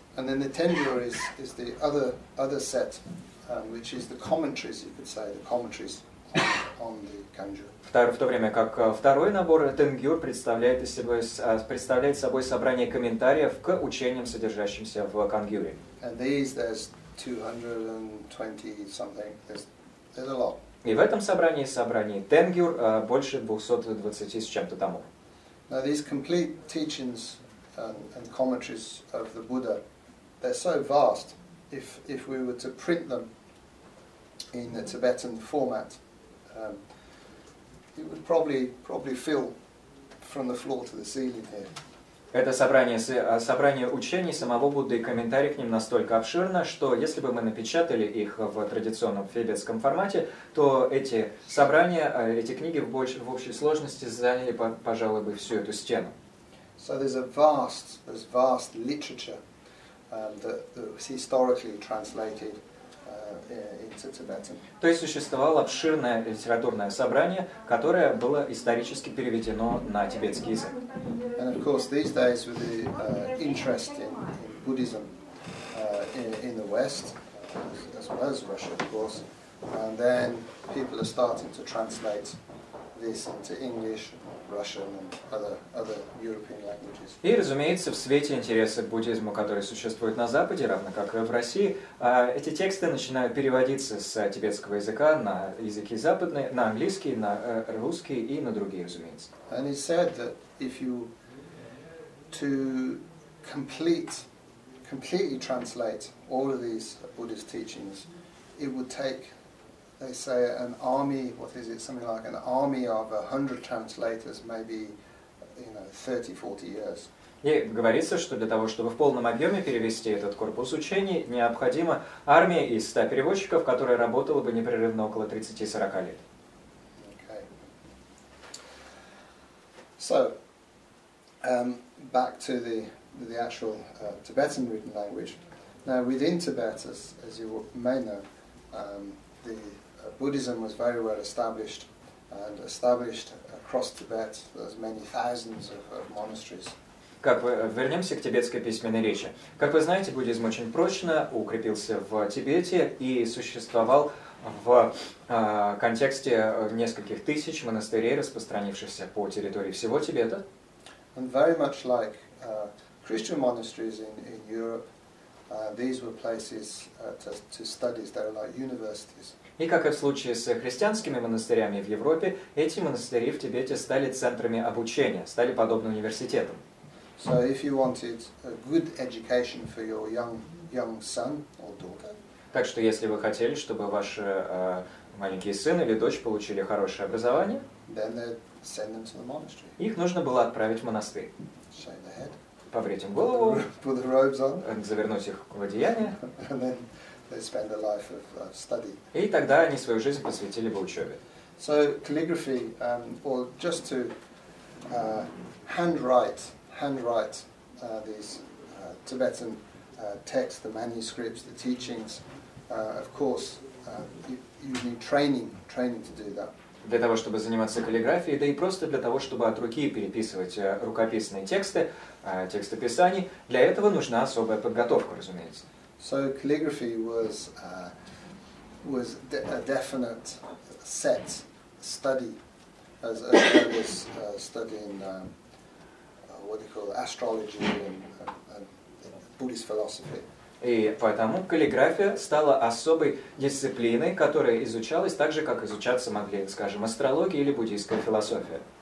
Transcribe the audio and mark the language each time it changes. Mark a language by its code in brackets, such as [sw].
[en] And then the Tenjo is the other set, which is the commentaries, you could say, the commentaries on the Kanjo. [ru] В то время как второй набор Тенгюр представляет собой собрание комментариев к учениям, содержащимся в Кангюре. [en] And these there's 220 something. There's a lot. [ru] И в этом собрании Тенгюр больше 220 с чем-то томов. [en] Now these complete teachings and commentaries of the Buddha, they're so vast. If we were to print them in the Tibetan format, it would probably fill from the floor to the ceiling here. [ru] Это собрание учений самого Будды и комментарий к ним настолько обширно, что если бы мы напечатали их в традиционном тибетском формате, то эти собрания, эти книги в общей сложности заняли, пожалуй, бы всю эту стену. [en] So there's a vast literature that was historically translated into Tibetan. [ru] То есть существовало обширное литературное собрание, которое было исторически переведено на тибетский язык. [en] And of course, these days with the interest in Buddhism in the West, as well as Russia, of course, and then people are starting to translate this into English Russian and other European languages. [ru] И, разумеется, в свете интереса к буддизму, который существует на Западе, равно как и в России, эти тексты начинают переводиться с тибетского языка на языки западные, на английский, на русский и на другие, разумеется. [en] And it's said that if you to completely translate all of these Buddhist teachings, it would take, they say, an army, what is it, something like an army of 100 translators, maybe, you know, 30-40 years. [ru] И говорится, что для того, чтобы в полном объеме перевести этот корпус учений, необходима армия из 100 переводчиков, которая работала бы непрерывно около 30-40 лет. [en] Okay. So, back to the actual Tibetan written language. Now, within Tibet, as you may know, the Buddhism was very well established, and established across Tibet, as many thousands of monasteries. [ru] Вернемся к тибетской письменной речи. Как вы знаете, буддизм очень прочно укрепился в Тибете и существовал в контексте нескольких тысяч монастырей, распространившихся по территории всего Тибета. [en] And very much like Christian monasteries in Europe, these were places to study. They were like universities. [ru] И как и в случае с христианскими монастырями в Европе, эти монастыри в Тибете стали центрами обучения, стали подобны университетам. [en] So if you wanted a good education for your young son or daughter. [ru] Так что если вы хотели, чтобы ваш маленький сын или дочь получили хорошее образование, [en] then they'd send them to the monastery. [ru] Их нужно было отправить в монастырь. [en] Shave the head. [ru] Побрить им голову, [en] put the robes on, [ru] завернуть их в одеяние, [en] and then they spend a life of study. [ru] И тогда они свою жизнь посвятили бы учебе. [en] So calligraphy, or just to handwrite these Tibetan texts, the manuscripts, the teachings. Of course, you need training to do that. [ru] Для того, чтобы заниматься каллиграфией, да и просто для того, чтобы от руки переписывать рукописные тексты, тексты писаний, для этого нужна особая подготовка, разумеется. [en] So calligraphy was a definite set study, as I was studying what they call astrology and Buddhist philosophy. [ru] И поэтому каллиграфия стала особой дисциплиной, которая изучалась так же, как изучаться могли, скажем, астрология или буддийская философия.